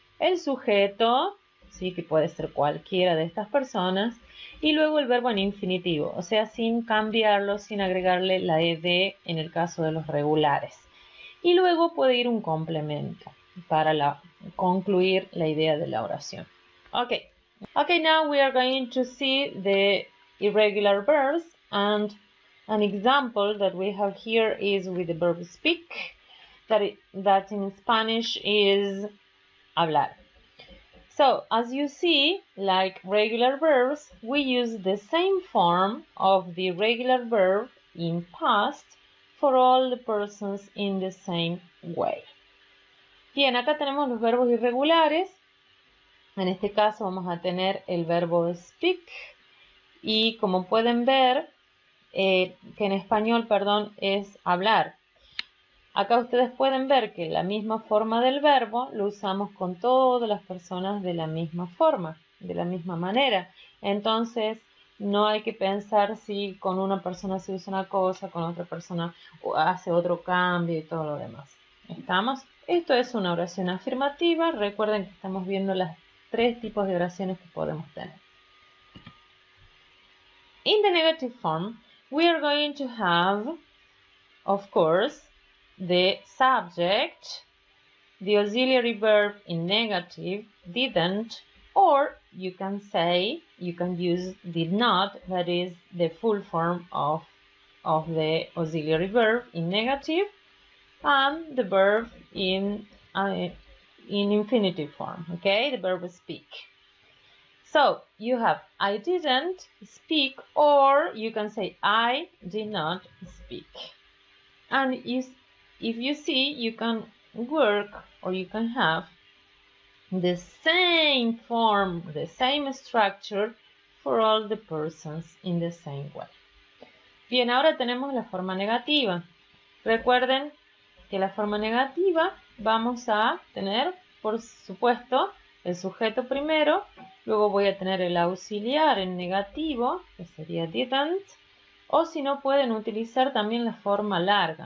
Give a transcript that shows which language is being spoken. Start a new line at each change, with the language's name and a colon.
Spanish: El sujeto, sí, que puede ser cualquiera de estas personas. Y luego el verbo en infinitivo, o sea, sin cambiarlo, sin agregarle la ed en el caso de los regulares. Y luego puede ir un complemento para concluir la idea de la oración.
English: Okay, now we are going to see the irregular verbs, and an example that we have here is with the verb speak, that in Spanish is hablar. So, as you see, like regular verbs, we use the same form of the irregular verb in past for all the persons in the same way.
Spanish: Bien, acá tenemos los verbos irregulares. En este caso vamos a tener el verbo speak y como pueden ver, que en español, perdón, es hablar. Acá ustedes pueden ver que la misma forma del verbo lo usamos con todas las personas de la misma forma, de la misma manera. Entonces, no hay que pensar si con una persona se usa una cosa, con otra persona hace otro cambio y todo lo demás. ¿Estamos? Esto es una oración afirmativa. Recuerden que estamos viendo las tres tipos de oraciones que podemos tener.
English: In the negative form, we are going to have, of course, the subject, the auxiliary verb in negative, didn't, or you can say, you can use did not, that is the full form of the auxiliary verb in negative, and the verb in infinitive form, okay? The verb speak. So you have I didn't speak, or you can say I did not speak. And if you see, you can work or you can have the same form, the same structure for all the persons in the same way.
Spanish: Bien, ahora tenemos la forma negativa. Recuerden que la forma negativa vamos a tener, por supuesto, el sujeto primero, luego voy a tener el auxiliar en negativo, que sería didn't, o si no pueden utilizar también la forma larga.